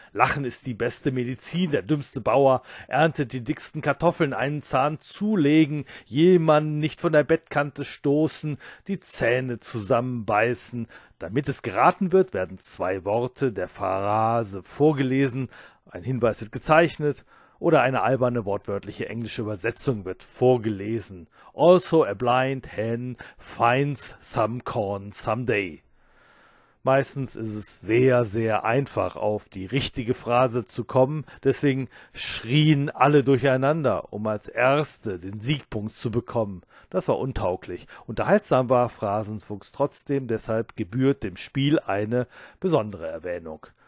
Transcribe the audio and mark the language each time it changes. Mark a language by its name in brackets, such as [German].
[German] Lachen ist die beste Medizin, der dümmste Bauer erntet die dicksten Kartoffeln, einen Zahn zulegen, jemanden nicht von der Bettkante stoßen, die Zähne zusammenbeißen. Damit es geraten wird, werden zwei Worte der Phrase vorgelesen, ein Hinweis wird gezeichnet. Oder eine alberne wortwörtliche englische Übersetzung wird vorgelesen. [English] Also a blind hen finds some corn someday. [German] Meistens ist es sehr, sehr einfach, auf die richtige Phrase zu kommen. Deswegen schrien alle durcheinander, um als Erste den Siegpunkt zu bekommen. Das war untauglich. Unterhaltsam war Phrasenfuchs trotzdem, deshalb gebührt dem Spiel eine besondere Erwähnung.